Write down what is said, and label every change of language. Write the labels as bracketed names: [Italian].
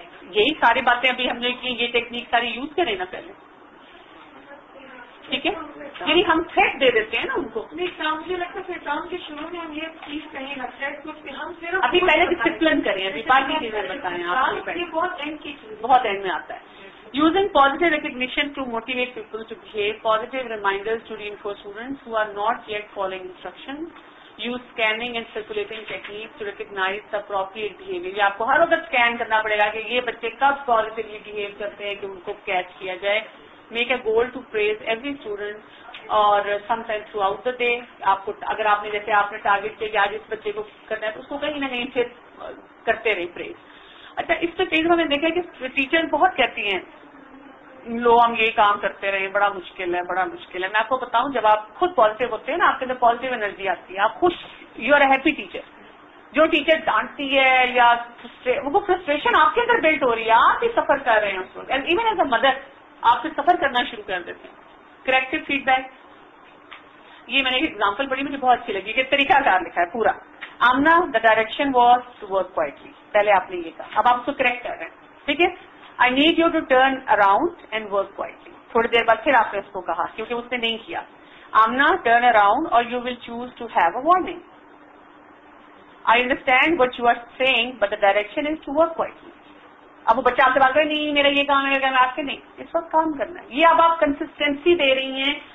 [Urdu] یہی ساری باتیں ابھی ہم نے کی, یہ ٹیکنیک ساری یوز کریں نا پہلے, ٹھیک ہے, یعنی ہم تھریٹ دے دیتے ہیں نا ان کو. مجھے لگتا ہے کہ کام کے شروع میں ہم یہ چیز کہیں ہم صرف ابھی پہلے ڈسپلن کریں, ابھی باقی چیزیں بتائیں, بہت اینڈ کی چیز بہت اینڈ میں آتا ہے. [English] Using positive recognition to motivate people to behave, positive reminders to reinforce students who are not yet following instructions. Use scanning and circulating techniques to recognize the appropriate behavior. [Urdu] یہ آپ کو ہر وقت scan کرنا پڑے گا کہ یہ بچے کب positively behave کرتے ہیں کہ ان کو catch کیا جائے. [English] Make a goal to praise every student اور some time throughout the day. [Urdu] آپ کو اگر آپ نے جیسے آپ نے ٹارگیٹ کیا کہ آج اس بچے کو کرنا ہے تو اس کو کہیں نہ کہیں پھر کرتے رہے پریز. اچھا اس پہ کئی دفعہ میں دیکھا کہ ٹیچر بہت کہتی ہیں لو ہم یہ کام کرتے رہے, بڑا مشکل ہے بڑا مشکل ہے. میں آپ کو بتاؤں جب آپ خود پازیٹیو ہوتے ہیں نا آپ کے اندر پازیٹیو انرجی آتی ہے, آپ خوش, [English] You are a happy teacher. [Urdu] جو ٹیچر ڈانٹتی ہے یا وہ فرسٹریشن آپ کے اندر بلٹ ہو رہی ہے, آپ ہی سفر کر رہے ہیں اس وقت, [English] and even as a mother [Urdu] آپ سے سفر کرنا شروع کر دیتے ہیں. کریکٹو فیڈ بیک, یہ میں نے ایگزامپل پڑھی, مجھے بہت اچھی لگی کہ طریقہ کار لکھا ہے پورا. [English] Amna the direction was to work quietly, [Urdu] پہلے آپ نے یہ کہا, اب آپ اس کو کریکٹ کر رہے ہیں, ٹھیک ہے. [English] I need you to turn around and work quietly. [Urdu] تھوڑی دیر بعد پھر آپ نے اس کو کہا کیونکہ اس نے نہیں کیا. [English] Amna turn around اور you will choose to have a warning. I understand what you are saying but the direction is to work quietly. [Urdu] اب وہ بچہ آپ سے بات کرے نہیں میرا یہ کام ہے, میرا کام آپ کے نہیں, اس وقت کام کرنا ہے. یہ اب آپ کنسسٹینسی دے رہی ہیں